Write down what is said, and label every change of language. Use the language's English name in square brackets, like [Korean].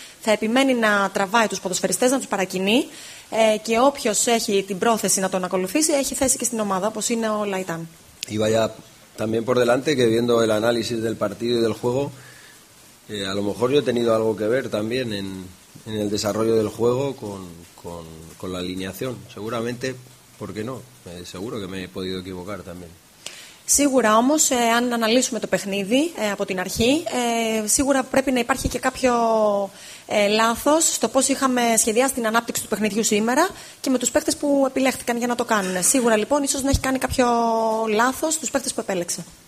[Greek] Θα επιμένει να τραβάει τους ποδοσφαιριστές, να τους παρακινεί και όποιος έχει την πρόθεση να τον ακολουθήσει έχει θέση και στην ομάδα, όπως είναι ο Λαϊτάν. [Spanish] Y vaya también por delante que viendo el análisis del partido y del juego, a lo mejor yo he tenido algo que ver también en el desarrollo del juego con la alineación. Seguramente, ¿por qué no? Seguro que me he podido equivocar también. [Greek] Σίγουρα όμως, αν αναλύσουμε το παιχνίδι από την αρχή, σίγουρα πρέπει να υπάρχει και κάποιο λάθος στο πώς είχαμε σχεδιάσει την ανάπτυξη του παιχνιδιού σήμερα και με τους παίχτες που επιλέχθηκαν για να το κάνουν. Σίγουρα λοιπόν, ίσως να έχει κάνει κάποιο λάθος στους παίχτες που επέλεξε.